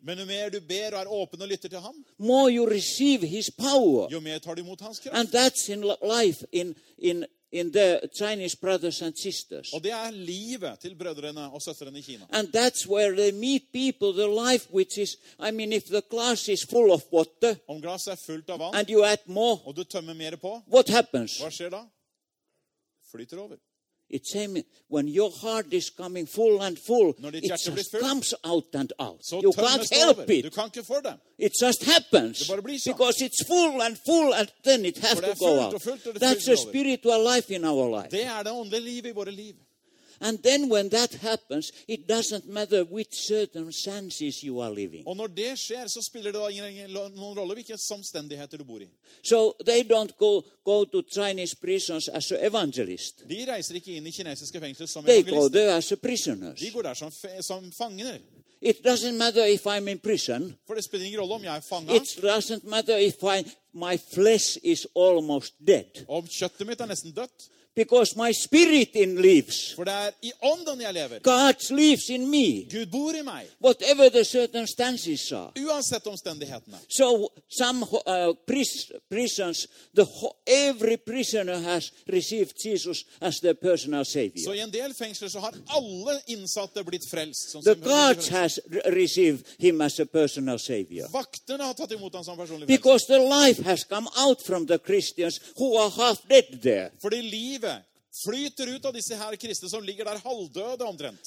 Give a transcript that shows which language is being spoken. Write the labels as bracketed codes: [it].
[sv] Men ju mer du ber och är öppen och lyssnar till ham. [en] More you receive his power. [sv] Ju mer tar du emot hans kraft. [en] And that's in life in the Chinese brothers and sisters. [sv] Och det är livet till bröderna och systrarna i Kina. [en] And that's where they meet people, the life which is, I mean, if the glass is full of water. [sv] Om glaset är fullt av vatten. [en] And you add more. [sv] Och du tömmer mer på. [en] What happens? [sv] Vad sker då? Flyter över. [en] It's same when your heart is coming full and full. It just comes out and out. So you can't help it. [sv] Du kan inte för dem. [en] It just happens. [sv] Det bara blir så. [en] Because it's full and full and then it has to go out. That's a spiritual life in our life. [sv] Det är det andliga livet i våra liv. [en] And then when that happens, it doesn't matter which circumstances you are living. [sv] Och när det sker så spelar det ingen roll vilka omständigheter du bor i. [en] So they don't go to Chinese prisons as an evangelist. [sv] De reiser inte in i kinesiska fängelser som [en] evangelister. They go there as prisoners. [sv] De går där som fångar. [en] It doesn't matter if I'm in prison. [sv] För det spelar ingen roll om jag är fångad. [en] It doesn't matter if my flesh is almost dead. [sv] Om köttet mitt är nästan dött. [en] Because my spirit in lives. [sv] För det är i anden jag lever. [en] God lives in me. [sv] Gud bor i mig. [en] Whatever the circumstances are. [sv] Oavsett omständigheterna. [en] So some prisons, every prisoner has received Jesus as their personal savior. [sv] Så i en del fängelser så har alla insatta blivit frälst. [en] The guards has received him as a personal savior. [sv] Vakterna har tagit emot honom som personlig frälst. [en] Because the life has come out from the Christians who are half dead there. [sv] För det liv flyter ut av disse här kristna som ligger där halvdöda omtrent.